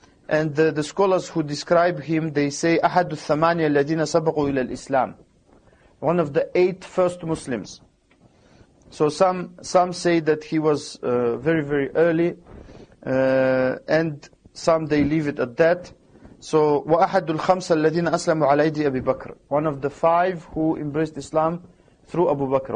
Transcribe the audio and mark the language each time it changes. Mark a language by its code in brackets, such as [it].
[en] And the scholars who describe him, they say, [ar] أحد الثمانية الذين سبقوا إلى الإسلام. [en] One of the 8 first Muslims. So some say that he was very, very early. And some, they leave it at that. [ar] So, وأحد الخمسة الذين أسلموا على يدي أبي بكر. [en] One of the 5 who embraced Islam through Abu Bakr.